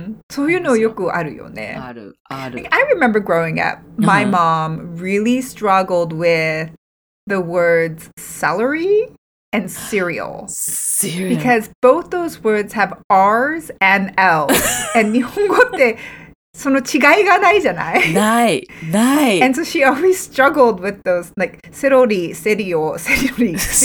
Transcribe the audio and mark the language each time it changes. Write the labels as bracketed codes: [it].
[en] So you know, [ja] yoku aru yo ne. Aru, aru. [en] I remember growing up, my mom really struggled with the words celery and cereal. Cereal. Because both those words have R's and L's. [ja] And 日本語ってその違いがないじゃない? ない、ない。 [en] And so she always struggled with those, like, celery, cereal, celery.